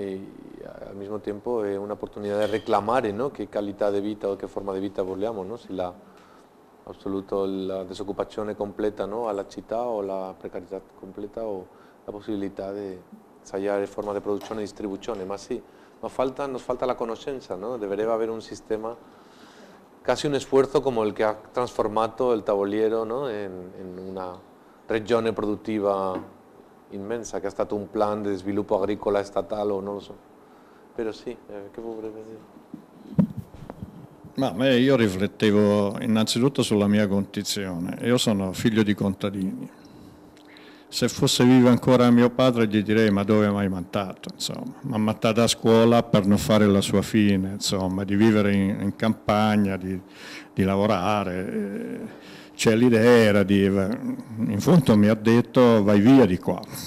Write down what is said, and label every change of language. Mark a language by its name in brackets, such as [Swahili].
[Italian] e al mismo tempo è un'opportunità di reclamare, no? Che qualità di vita o che forma di vita vogliamo, no? Se la disoccupazione completa, no? Alla città o la precarietà completa o la possibilità di tagliare forma di produzione e distribuzione, ma sì. [Spanish] Ma falta, nos falta la conoscenza, ¿no? Debería haber un sistema, casi un esfuerzo como el que ha transformado el tabuliero, ¿no? En una región productiva inmensa, que ha estado un plan de desarrollo agrícola estatal o no lo sé. Pero sí, ¿qué podría decir? [Italian] Ma yo riflettevo innanzitutto sulla mia condizione. Yo sono figlio di contadini. Se fosse vivo ancora mio padre gli direi ma dove mi hai mandato, insomma, mi ha mandato a scuola per non fare la sua fine, insomma, di vivere in campagna, di lavorare, c'è l'idea era di, in fondo mi ha detto vai via di qua,